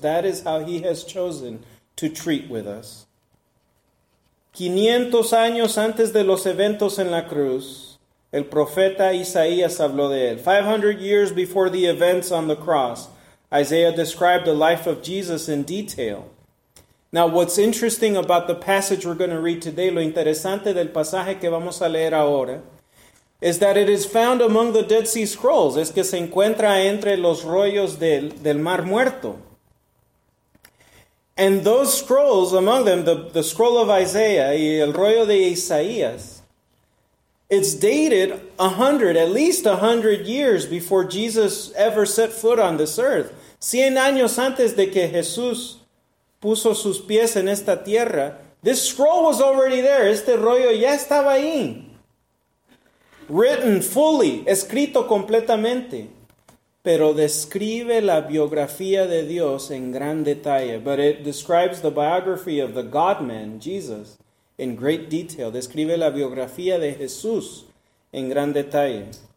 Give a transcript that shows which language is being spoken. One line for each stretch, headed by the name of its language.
English: That is how he has chosen to treat with us.
Spanish: 500 años antes de los eventos en la cruz, el profeta Isaías habló de él.
English: 500 years before the events on the cross, Isaiah described the life of Jesus in detail. Now, what's interesting about the passage we're going to read today,
Spanish: lo interesante del pasaje que vamos a leer ahora,
English: is that it is found among the Dead Sea Scrolls.
Spanish: Es que se encuentra entre los rollos del Mar Muerto.
English: And those scrolls, among them, the scroll of Isaiah
Spanish: y el rollo de Isaías,
English: it's dated at least 100 years before Jesus ever set foot on this earth.
Spanish: 100 años antes de que Jesús puso sus pies en esta tierra,
English: this scroll was already there.
Spanish: Este rollo ya estaba ahí.
English: Written fully,
Spanish: escrito completamente. Pero describe la biografía de Dios en gran detalle.
English: But it describes the biography of the God-man, Jesus, in great detail.
Spanish: Describe la biografía de Jesús en gran detalle.